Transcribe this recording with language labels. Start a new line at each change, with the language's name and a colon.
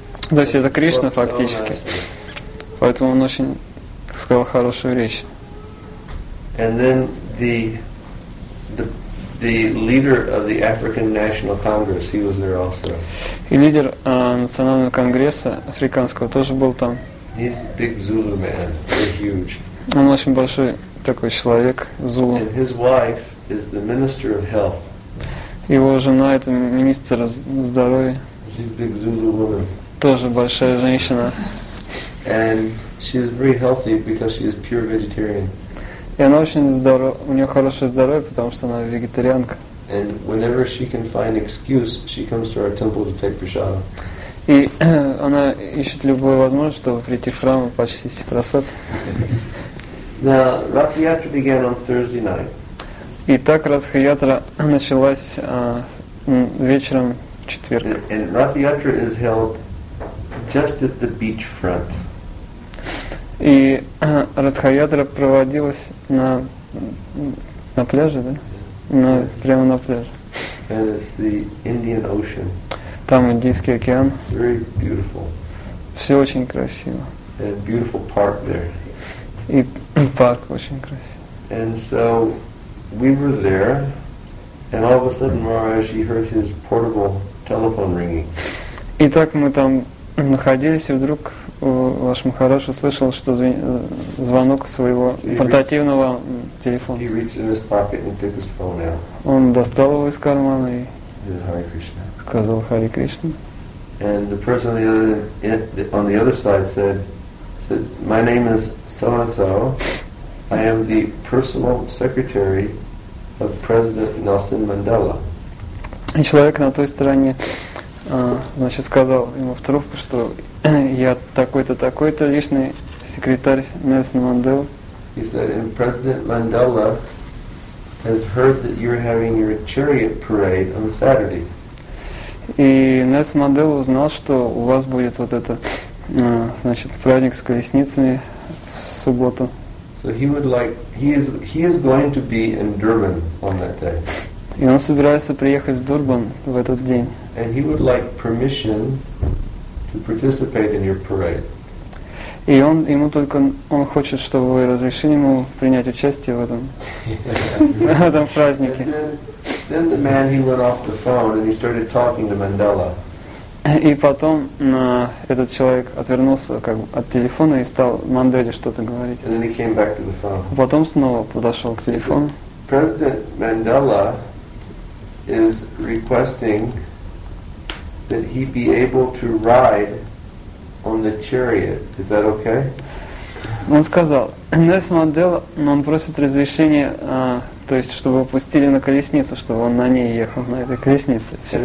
Russian: То есть это Кришна фактически. Поэтому он очень сказал хорошую речь.
English: And then the leader of the African National Congress, he was there also.
Russian: И лидер национального конгресса африканского тоже был там.
English: He's a big Zulu man. They're huge.
Russian: Он очень большой такой человек, Зулу.
English: And his wife is the minister of health.
Russian: Его жена это министр здоровья.
English: She's a big Zulu woman.
Russian: Тоже большая женщина.
English: And she's very healthy because she is pure vegetarian.
Russian: И она очень здорова, у нее хорошее здоровье, потому что она вегетарианка.
English: And whenever she can find excuse, she comes to our temple to take prasada.
Russian: И она ищет любую возможность, чтобы прийти в храм и почтить просад.
English: Now, Ратхаятра began on Thursday night.
Russian: И так Ратхаятра началась вечером в четверг.
English: And Ратхаятра is held just at the beach front.
Russian: И Ратхаятра проводилась на пляже, да? Прямо на пляже.
English: And it's the Indian Ocean.
Russian: Там Индийский океан.
English: Very beautiful.
Russian: Все очень красиво.
English: And a beautiful park there.
Russian: И парк очень красив.
English: And so we were there, and all of a sudden Maharaji heard his portable telephone ringing.
Russian: И так мы там находились, и вдруг ваш Махарадж услышал, что звонок своего портативного телефона.
English: He reached in his pocket and took his phone out.
Russian: Он достал его из кармана и
English: Hare Krishna.
Russian: Сказал Хари Кришна.
English: And the person on the other side said, my name is so-and-so. I am the personal secretary of President Nelson Mandela.
Russian: И человек на той стороне, значит, сказал ему в трубку, что я такой-то, такой-то личный секретарь Нельсона Манделы.
English: He said, and President Mandela has heard that you're having your chariot parade on Saturday.
Russian: И Нельсон Мандела узнал, что у вас будет вот это, значит, праздник с колесницами в субботу.
English: So he would like he is going to be in Durban on that day.
Russian: И он собирается приехать в Дурбан в этот день.
English: And he would like permission to participate in your parade.
Russian: И он ему только он хочет, чтобы вы разрешили ему принять участие в этом в этом празднике.
English: Then the man he went off the phone and he started talking to Mandela.
Russian: И потом этот человек отвернулся как бы от телефона и стал Манделе что-то говорить.
English: And then he came back to the phone.
Russian: Потом снова подошел к телефону.
English: President Mandela is requesting that he be able to ride on the chariot. Is that okay?
Russian: Он сказал, Нес Мандела, он просит разрешения, то есть, чтобы пустили на колесницу, чтобы он на ней ехал, на этой колеснице.